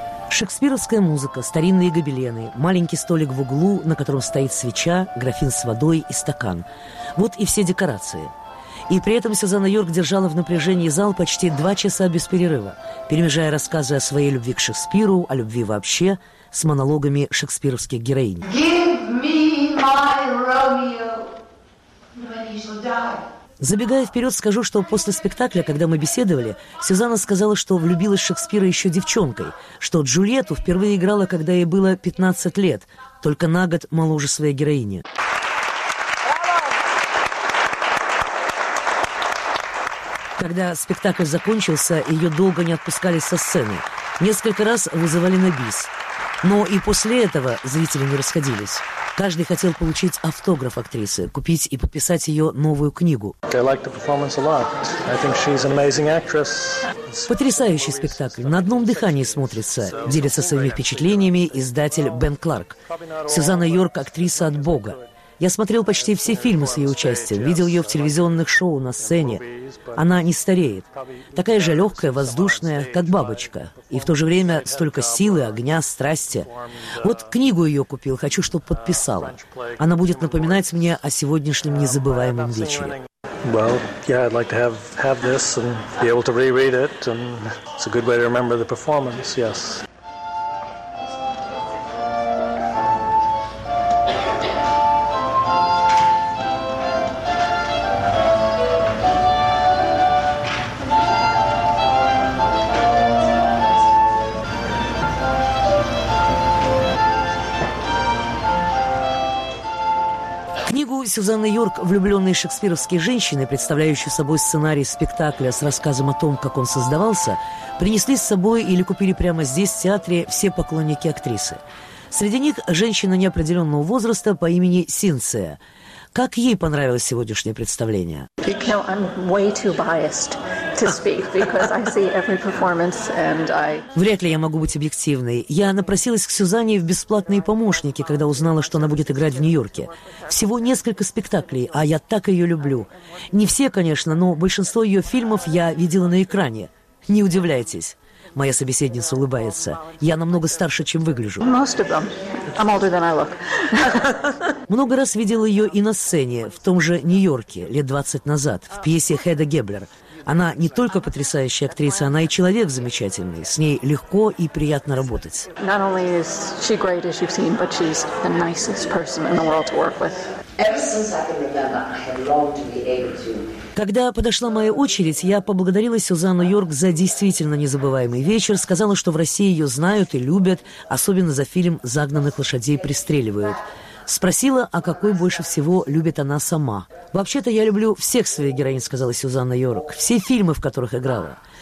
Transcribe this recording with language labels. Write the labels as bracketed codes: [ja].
[ru] Шекспировская музыка, старинные гобелены, маленький столик в углу, на котором стоит свеча, графин с водой и стакан. Вот и все декорации. И при этом Сюзанна Йорк держала в напряжении зал почти 2 часа без перерыва, перемежая рассказы о своей любви к Шекспиру, о любви вообще, с монологами шекспировских героинь. [en] Give me my Romeo, when he shall die. [ru] Забегая вперед, скажу, что после спектакля, когда мы беседовали, Сюзанна сказала, что влюбилась в Шекспира еще девчонкой, что Джульетту впервые играла, когда ей было 15 лет, только на год моложе своей героини. Когда спектакль закончился, ее долго не отпускали со сцены. Несколько раз вызывали на бис. Но и после этого зрители не расходились. Каждый хотел получить автограф актрисы, купить и подписать ее новую книгу. Потрясающий спектакль. На одном дыхании смотрится, делится своими впечатлениями издатель Бен Кларк. Сюзанна Йорк – актриса от Бога. Я смотрел почти все фильмы с ее участием, видел ее в телевизионных шоу на сцене. Она не стареет. Такая же легкая, воздушная, как бабочка. И в то же время столько силы, огня, страсти. Вот книгу ее купил, хочу, чтобы подписала. Она будет напоминать мне о сегодняшнем незабываемом вечере. [en] Well, yeah, I'd like to have this and be able to reread it, and it's a good way to remember the performance, yes. [ru] Сюзанна Йорк, влюбленные шекспировские женщины, представляющие собой сценарий спектакля с рассказом о том, как он создавался, принесли с собой или купили прямо здесь, в театре, все поклонники актрисы. Среди них женщина неопределенного возраста по имени Синция. Как ей понравилось сегодняшнее представление? [en] No, I'm way too biased to speak because I see every performance and I. [ru] Вряд ли я могу быть объективной. Я напросилась к Сюзанне в бесплатные помощники, когда узнала, что она будет играть в Нью-Йорке. Всего несколько спектаклей, а я так ее люблю. Не все, конечно, но большинство ее фильмов я видела на экране. Не удивляйтесь. Моя собеседница улыбается. Я намного старше, чем выгляжу. [en] Most of them. I'm older than I look. [ru] Много раз видела ее и на сцене, в том же Нью-Йорке, лет 20 назад, в пьесе Хеда Геблер. Она не только потрясающая актриса, она и человек замечательный. С ней легко и приятно работать. [en] Not only is she great, as you've seen, but she's the nicest person in the world to work with. Ever since I can remember, I have longed to be able to. [ru] Когда подошла моя очередь, я поблагодарила Сюзанну Йорк за действительно незабываемый вечер, сказала, что в России ее знают и любят, особенно за фильм «Загнанных лошадей пристреливают». Спросила, а какой больше всего любит она сама. «Вообще-то я люблю всех своих героинь», — сказала Сюзанна Йорк, — «все фильмы, в которых играла».